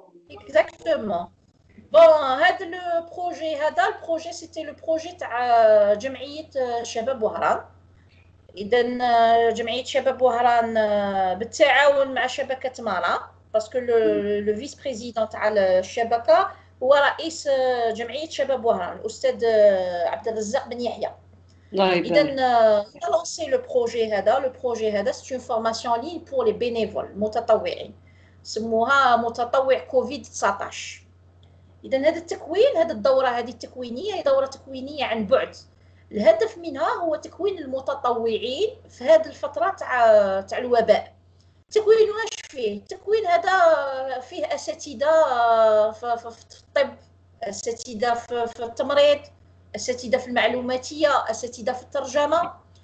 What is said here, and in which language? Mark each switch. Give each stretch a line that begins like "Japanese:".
Arabic: اكزاكتومون بون هذا لو بروجي هذا البروجي سيتي لو بروجي تاع جمعيه شباب وهران اذا جمعيه شباب وهران بالتعاون مع شبكه مالا باسكو لو فيس بريزيدون تاع الشبكه هو رئيس جمعيه شباب وهران الاستاذ عبد الرزاق بن يحيى إذن
French: on a lancé le projet HADA. Le projet HADA, c'est une formation en ligne pour les bénévoles, متطوعين.
Arabic: سموها متطوع كوفيد 19. إذن هذا التكوين، هذه الدورة هذه التكوينية هي دورة تكوينية عن بعد. الهدف منها هو تكوين المتطوعين في هذه الفترة تاع الوباء. تكوين واش فيه؟ تكوين هذا فيه أساتذة في الطب، أساتذة في التمريض، أساتذة في المعلوماتية، أساتذة في الترجمة.